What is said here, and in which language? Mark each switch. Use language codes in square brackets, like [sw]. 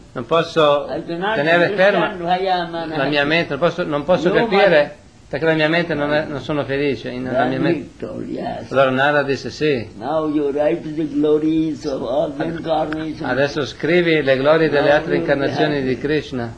[it] Non posso tenere ferma la mia mente, non posso capire. Perché la mia mente non sono felice in la mia mente. [en] Yes. [it] Allora Narada disse sì. [en] Now you write the glories of all the incarnations. [it] Adesso scrivi le glorie [en] now [it] delle altre incarnazioni di Krishna.